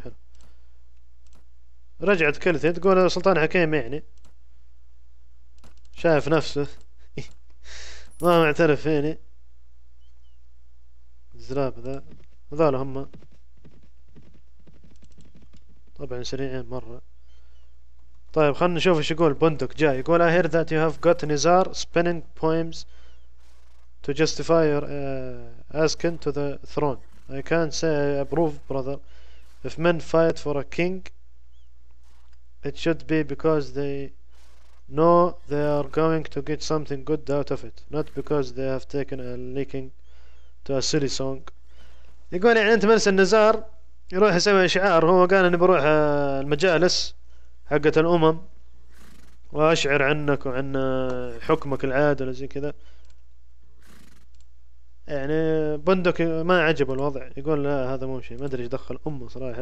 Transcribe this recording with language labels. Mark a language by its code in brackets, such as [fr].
[ar] حلو، رجعت كلثي تقول سلطان حكيم يعني شايف نفسه. ما معترف فيني الزراب ذا، هذول هم طبعا سريعين مرة. طيب خلنا نشوف ايش يقول بندق جاي. يقول [en] I hear that you have got Nizar spinning poems to justify your asking to the throne. I can't say I approve brother. If men fight for a king it should be because they know they are going to get something good out of it, not because they have taken a licking to سيري سونج. [ar] يقول يعني انت مرسل نزار يروح يسوي شعار، هو قال اني بروح المجالس حقت الامم واشعر عنك وعن حكمك العادل وزي كذا. يعني بندق ما عجبه الوضع، يقول لا هذا مو شيء، ما ادري ايش دخل امه صراحه.